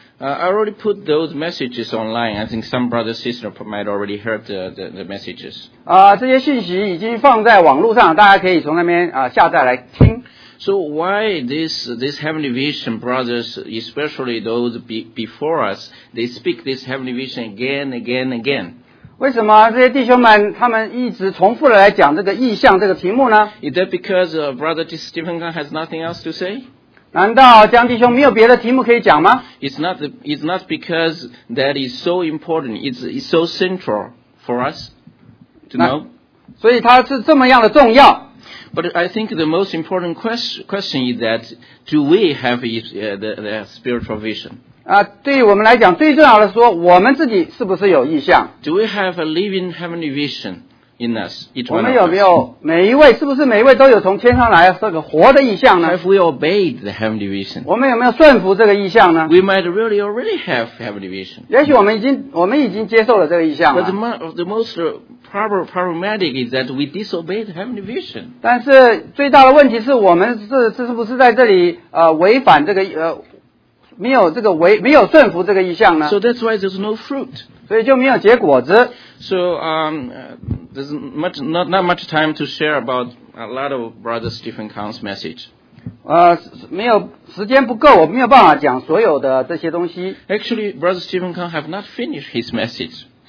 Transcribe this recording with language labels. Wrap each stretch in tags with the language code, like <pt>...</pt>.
<en>I already put those messages online. I think some brothers and sisters might already heard the messages.</en> <zh>这些讯息已经放在网络上, 大家可以从那边, 下载来听。</zh> <en>So why this heavenly vision, brothers, especially those before us, they speak this heavenly vision again, again, again?</en> <zh>为什么这些弟兄们, 他们一直重复地来讲这个意象, 这个题目呢?</zh> <en>Is that because Brother Stephen Kang has nothing else to say?</en> <zh>难道江弟兄没有别的题目可以讲吗?</zh> <en>It's not because that is so important, it's so central for us to know.</en> <zh>所以它是这么样的重要。</zh> <en>But I think the most important question is that, do we have the spiritual vision?</en> <zh>对于我们来讲, 最重要的是说, 我们自己是不是有意向?</zh> <en>Do we have a living heavenly vision? in us, each one of us.</en> <zh>我们有没有每一位都有从天上来这个活的意象呢?</zh> <en>Have we obeyed the heavenly vision?</en> <zh>我们有没有顺服这个意象呢?</zh> <en>We might really already have heavenly vision.</en> <zh>也许我们已经接受了这个意象了。</zh> <en>But the most problematic is that we disobey the heavenly vision.</en> <zh>但是最大的问题是我们是不是在这里违反这个没有顺服这个意象呢?</zh> <en>So that's why there's no fruit.</en> <zh>所以就没有结果子。</zh> <en>So there's not much time to share about a lot of Brother Stephen Kang's message.</en> <zh>没有时间不够，我没有办法讲所有的这些东西。</zh> <en>Actually, Brother Stephen Kang have not finished his message.</en>